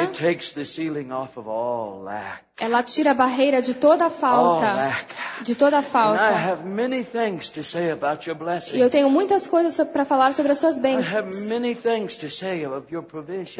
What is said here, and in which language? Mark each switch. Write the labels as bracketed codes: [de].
[en] it takes the ceiling off of all lack. [pt] Ela tira a barreira de toda a falta. [en] All lack. [pt] De toda a falta. [en] And I have many things to say about your blessings. [pt] E eu tenho muitas coisas para falar sobre as suas bênçãos. [en] I have many things to say of your provision.